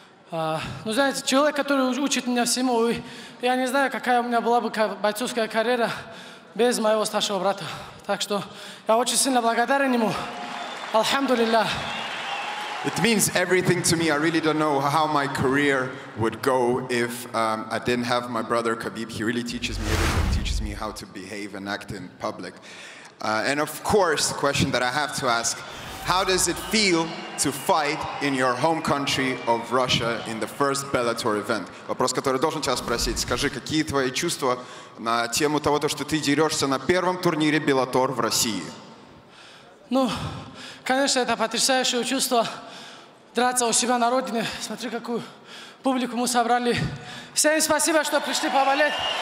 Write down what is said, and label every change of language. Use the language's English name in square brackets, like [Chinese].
[Russian] Ну, знаете, человек, который учит меня всему, и я не знаю, какая у меня была бы бойцовская карьера без моего старшего брата. Так что я очень сильно благодарен ему. [Arabic] Алхамду лилля. [English] It means everything to me. I really don't know how my career would go if I didn't have my brother Khabib. He really teaches me everything. He teaches me how to behave and act in public. And of course, the question that I have to ask, how does it feel to fight in your home country of Russia in the first Bellator event? [Russian] Вопрос, который должен тебя спросить. Скажи, какие твои чувства на тему того, что ты дерешься на первом турнире Bellator в России? Ну, конечно, это потрясающее чувство драться у себя на родине. Смотри, какую публику мы собрали. Всем спасибо, что пришли поболеть.